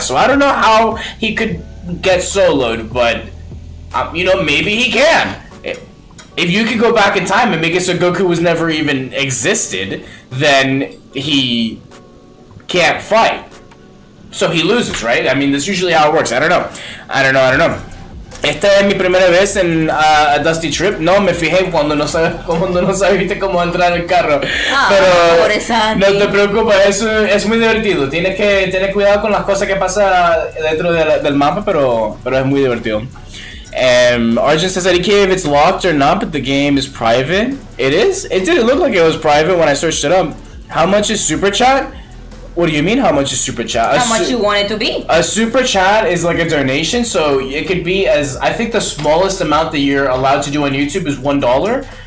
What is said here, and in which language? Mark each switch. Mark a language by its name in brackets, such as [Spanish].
[English] So I don't know how he could get soloed, but, you know, maybe he can. If you could go back in time and make it so Goku was never even existed, then he can't fight. So he loses, right? I mean, that's usually how it works. I don't know. [Spanish] Esta es mi primera vez en a Dusty Trip. No, me fijé cuando no sabiste cómo entrar al carro. Pero no te preocupes, es muy divertido. Tienes que tener cuidado con las cosas que pasa dentro del mapa, pero es muy divertido. [English] Arjun says that he can't if it's locked or not, but the game is private. It is? It didn't look like it was private when I searched it up. How much is Super Chat? What do you mean, how much is Super Chat? How much you want it to be. A Super Chat is like a donation, so it could be as... I think the smallest amount that you're allowed to do on YouTube is $1.